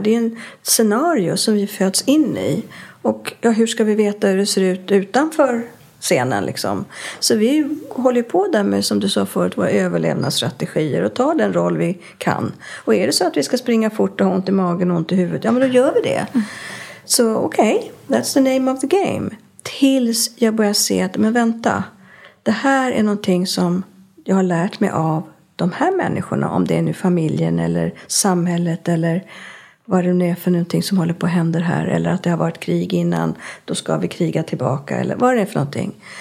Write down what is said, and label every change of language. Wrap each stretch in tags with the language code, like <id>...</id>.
<sv>Det är en scenario som vi föds in i. Och ja, hur ska vi veta hur det ser ut utanför scenen liksom? Så vi håller på där med, som du sa förut, våra överlevnadsstrategier och tar den roll vi kan. Och är det så att vi ska springa fort och ha ont i magen och ont i huvudet, ja men då gör vi det. Så okej,</sv> <en>okay, that's the name of the game.</en> <sv>Tills jag börjar se att, men vänta, det här är någonting som jag har lärt mig av de här människorna. Om det är nu familjen eller samhället eller vad det nu är för någonting som håller på att hända här. Eller att det har varit krig innan, då ska vi kriga tillbaka. Eller vad det är för någonting.</sv>